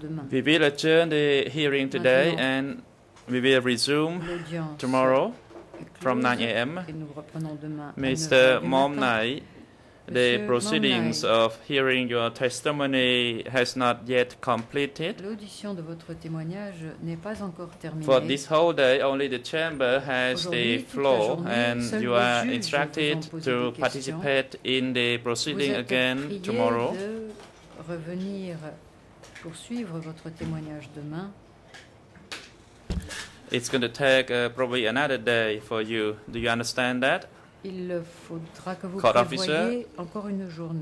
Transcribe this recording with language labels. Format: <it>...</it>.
<en>We will adjourn the hearing today, and we will resume tomorrow from 9 a.m. Mr. Mam Nai, the proceedings of hearing your testimony has not yet completed.</en> <fr>L'audition de votre témoignage n'est pas encore terminée.</fr> <en>For this whole day, only the chamber has the floor, and you are instructed to participate in the proceeding again tomorrow.</en> <fr>Vous êtes prié de revenir poursuivre votre témoignage demain.</fr> <en>It's going to take probably another day for you. Do you understand that?</en> <fr>Il faudra que vous prévoyiez encore une journée.</fr>